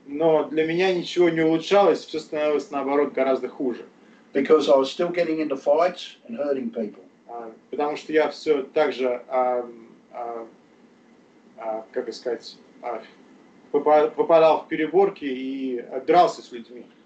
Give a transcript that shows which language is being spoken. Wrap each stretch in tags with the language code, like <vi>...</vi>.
<ru>Но для меня ничего не улучшалось, все становилось наоборот гораздо хуже.</ru> <en>Because I was still getting into fights and hurting people.</en> <ru>Потому что я все так же, как бы сказать, попадал в переборки и дрался с людьми.</ru>